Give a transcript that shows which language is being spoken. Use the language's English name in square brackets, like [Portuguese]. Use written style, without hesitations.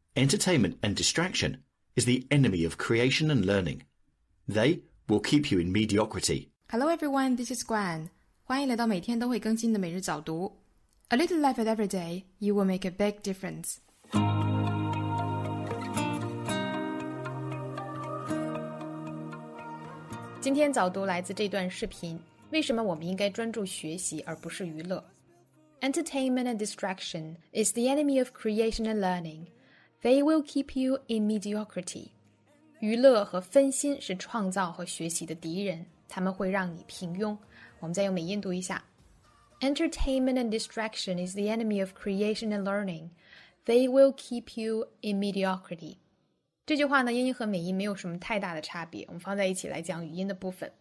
[English] Entertainment and distraction is the enemy of creation and learning. They will keep you in mediocrity. Hello everyone, this is Gwen. [Chinese] 欢迎来到每天都会更新的每日早读。 [English] A little effort every day, you will make a big difference. Today's [Chinese] 早读来自这段视频。为什么我们应该专注学习而不是娱乐？ [English] Entertainment and distraction is the enemy of creation and learning. They will keep you in mediocrity. [Chinese] 娱乐和分心是创造和学习的敌人，他们会让你平庸。我们再用美音读一下。 [English] Entertainment and distraction is the enemy of creation and learning. They will keep you in mediocrity. [Chinese] 这句话呢，英音和美音没有什么太大的差别。我们放在一起来讲语音的部分。